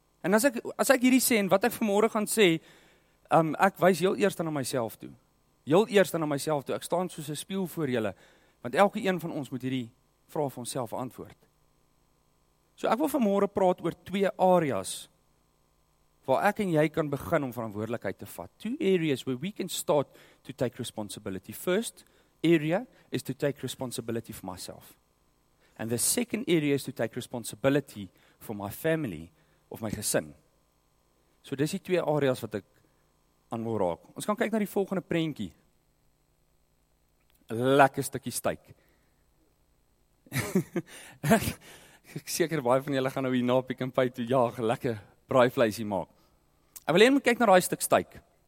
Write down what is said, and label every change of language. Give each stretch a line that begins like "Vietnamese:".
Afrikaans: En as ek hierdie sê en wat ek vanmôre gaan sê, ek wys heel eers aan myself toe. Heel eers aan myself toe. Ek staan soos 'n spieël voor julle, want elke een van ons moet hierdie vraag vir onsself antwoord. So ek wil vanmôre praat oor twee areas waar ek en jy kan begin om verantwoordelikheid te vat.
English: Two areas where we can start to take responsibility. First area is to take responsibility for myself. And the second area is to take responsibility for my family, of my gesin.
Afrikaans: So dis die twee areas wat ek aan wil raak. Ons kan kyk na die volgende prentjie. Lekker stukkie steak. ek seker baie van julle gaan nou hier na Pick n Pay toe jaag, lekker braai vleisie maak. Ek wil hê jy moet kyk na daai stuk steak.